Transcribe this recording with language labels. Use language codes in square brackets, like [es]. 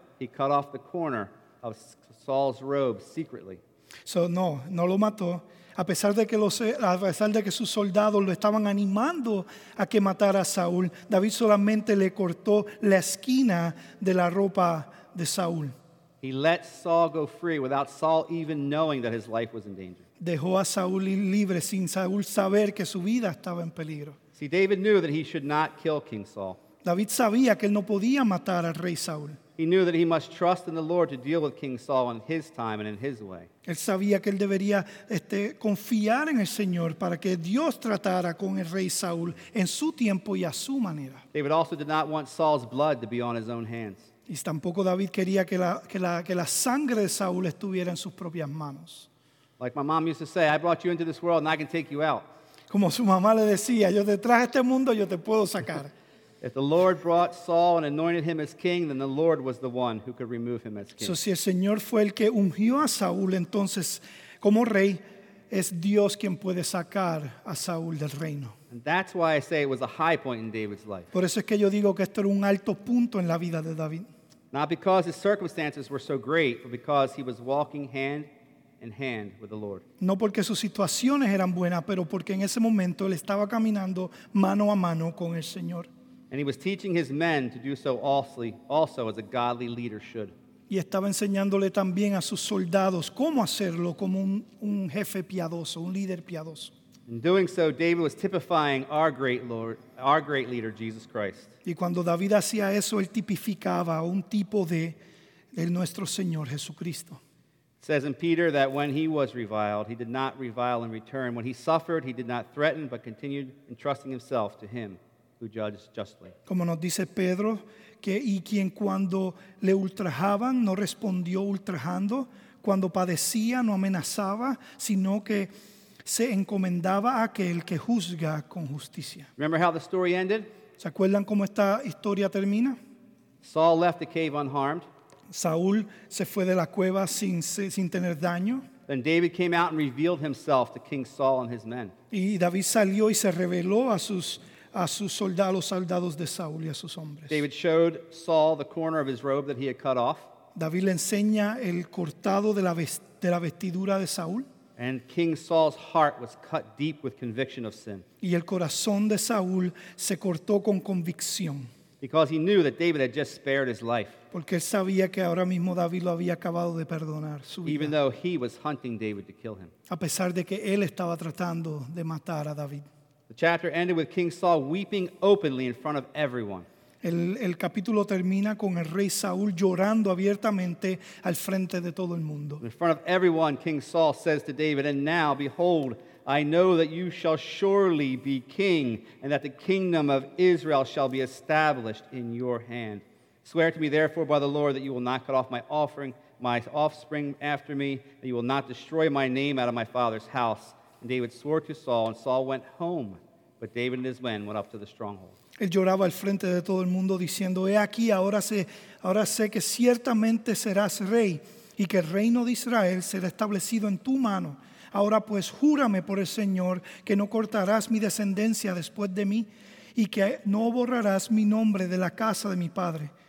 [en] He cut off the corner of Saul's robe secretly. [es] So no lo mató. A pesar de que sus soldados lo estaban animando a que matara a Saúl, David solamente le cortó la esquina de la ropa de Saúl. [en] He let Saul go free without Saul even knowing that his life was in danger. [es] Dejó a Saúl libre sin Saúl saber que su vida estaba en peligro. [en] See, David knew that he should not kill King Saul. [es] David sabía que él no podía matar al rey Saúl. [en] He knew that he must trust in the Lord to deal with King Saul in his time and in his way. [es] Él sabía que él debería confiar en el Señor para que Dios tratara con el rey Saúl en su tiempo y a su manera. [en] David also did not want Saul's blood to be on his own hands. [es] Y tampoco David quería que la sangre de Saúl estuviera en sus propias manos. [en] Like my mom used to say, I brought you into this world and I can take you out. [es] Como su mamá le decía, yo te traje este mundo, yo te puedo sacar. [en] If the Lord brought Saul and anointed him as king, then the Lord was the one who could remove him as king. [es] So si el Señor fue el que ungió a Saúl, entonces como rey, es Dios quien puede sacar a Saúl del reino. [en] And that's why I say it was a high point in David's life. [es] Por eso es que yo digo que esto era un alto punto en la vida de David. [en] Not because his circumstances were so great, but because he was walking hand in hand with the Lord. [es] No porque sus situaciones eran buenas, pero porque en ese momento él estaba caminando mano a mano con el Señor. [en] And he was teaching his men to do so also as a godly leader should. [es] Y estaba enseñándole también a sus soldados cómo hacerlo como un jefe piadoso, un líder piadoso. [en] In doing so, David was typifying our great Lord, our great leader, Jesus Christ. [es] Y cuando David hacía eso, él tipificaba un tipo de nuestro Señor Jesucristo. [en] It says in Peter that when he was reviled, he did not revile in return. When he suffered, he did not threaten, but continued entrusting himself to him who judges justly. [es] Como nos dice Pedro, quien cuando le ultrajaban, no respondió ultrajando. Cuando padecía, no amenazaba, sino que se encomendaba a aquel que juzga con justicia. [en] Remember how the story ended? [es] ¿Se acuerdan cómo esta historia termina? [en] Saul left the cave unharmed. [es] Saúl se fue de la cueva sin tener daño. [en] Then David came out and revealed himself to King Saul and his men. [es] Y David salió y se reveló a sus soldados, los soldados de Saúl y a sus hombres. [en] David showed Saul the corner of his robe that he had cut off. [es] David le enseña el cortado de la vestidura de Saúl. [en] And King Saul's heart was cut deep with conviction of sin. [es] Y el corazón de Saúl se cortó con convicción. [en] Because he knew that David had just spared his life. [es] Porque él sabía que ahora mismo David lo había acabado de perdonar su vida. [en] Even though he was hunting David to kill him. [es] A pesar de que él estaba tratando de matar a David. [en] The chapter ended with King Saul weeping openly in front of everyone. [es] El capítulo termina con el rey Saúl llorando abiertamente al frente de todo el mundo. [en] In front of everyone, King Saul says to David, "And now, behold, I know that you shall surely be king, and that the kingdom of Israel shall be established in your hand. Swear to me, therefore, by the Lord, that you will not cut off my offering, my offspring after me, that you will not destroy my name out of my father's house." And David swore to Saul, and Saul went home, but David and his men went up to the stronghold. [es] Él lloraba al frente de todo el mundo diciendo, he aquí, ahora sé que ciertamente serás rey y que el reino de Israel será establecido en tu mano. Ahora pues, júrame por el Señor que no cortarás mi descendencia después de mí y que no borrarás mi nombre de la casa de mi padre.